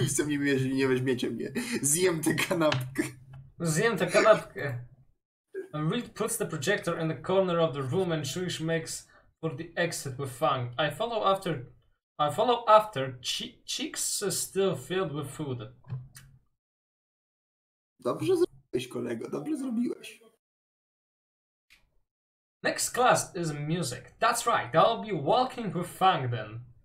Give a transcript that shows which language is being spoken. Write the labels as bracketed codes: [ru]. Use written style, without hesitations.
[pl] Jeśli nie weźmiecie mnie, zjem tę kanapkę. [en] And Reed puts the projector in the corner of the room and Trish makes for the exit with Fang. I follow after, cheeks are still filled with food. [pl] Dobrze zrobiłeś, kolego, dobrze zrobiłeś. [en] Next class is music. That's right, I'll be walking with Fang then.